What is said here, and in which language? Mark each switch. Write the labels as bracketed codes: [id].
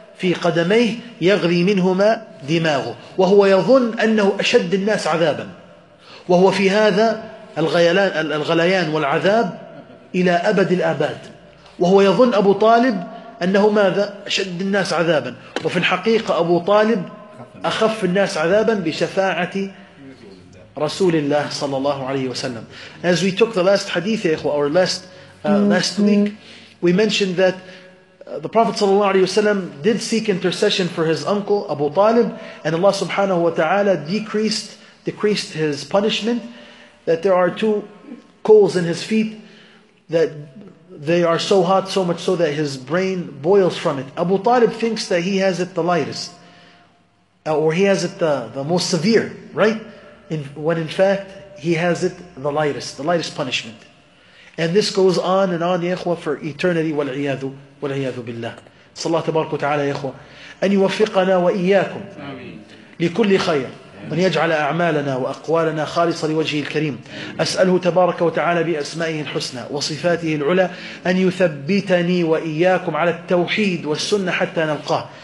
[ar] في قدميه يغلي منهما دماغه، وهو يظن أنه أشد الناس عذابا، وهو في هذا الغليان والعذاب إلى أبد الآباد، وهو يظن أبو طالب أنه ماذا أشد الناس عذابا، وفي الحقيقة أبو طالب أخف الناس عذابا بشفاعة رسول الله صلى الله عليه وسلم. [en] As we took the last hadith, يا إخوة, or last week, we mentioned that the Prophet صلى الله عليه وسلم did seek intercession for his uncle Abu Talib, and Allah subhanahu wa ta'ala decreased his punishment, that there are two coals in his feet that they are so hot, so much so that his brain boils from it. Abu Talib thinks that he has it the lightest, or he has it the most severe, right? When in fact, he has it the lightest punishment. And this goes on and on, ya ikhwa, for eternity. [ar] وَالْعِيَاذُ بِاللَّهِ صَلَّى تَبَارَكُ وَتَعَالَى يَا إِخْوَةَ أَنْ يُوَفِّقَنَا وَإِيَّاكُمْ لِكُلِّ خَيْرٍ من يجعل أعمالنا وأقوالنا خالصة لوجهه الكريم. أسأله تبارك وتعالى بأسمائه الحسنى وصفاته العلى أن يثبتني وإياكم على التوحيد والسنة حتى نلقاه.